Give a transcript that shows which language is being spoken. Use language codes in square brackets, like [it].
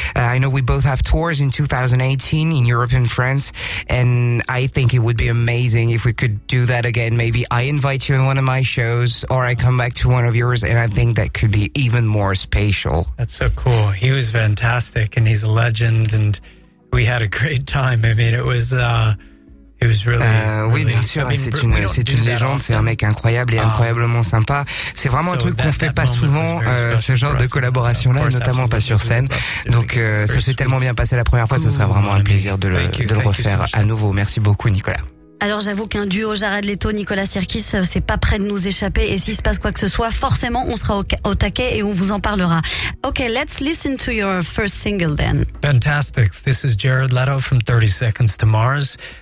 [en] I know we both have tours in 2018 in Europe and France, and I think it would be amazing if we could do that again. Maybe I invite you on one of my shows, or I come back to one of yours, and I think that could be even more spatial. That's so cool. He was fantastic and he's a legend and we had a great time. I mean, [fr] c'est une légende, c'est un mec incroyable et incroyablement sympa. C'est vraiment un truc qu'on fait pas souvent, ce genre de collaboration là, notamment pas sur scène. Donc ça s'est tellement bien passé la première fois, ça serait vraiment un plaisir de le refaire à nouveau. Merci beaucoup Nicolas. Alors j'avoue qu'un duo Jared Leto-Nicolas Sirkis, c'est pas prêt de nous échapper. Et s'il se passe quoi que ce soit, forcément, on sera au taquet et on vous en parlera. [en] Okay, let's listen to your first single then. Fantastic. This is Jared Leto from 30 Seconds to Mars.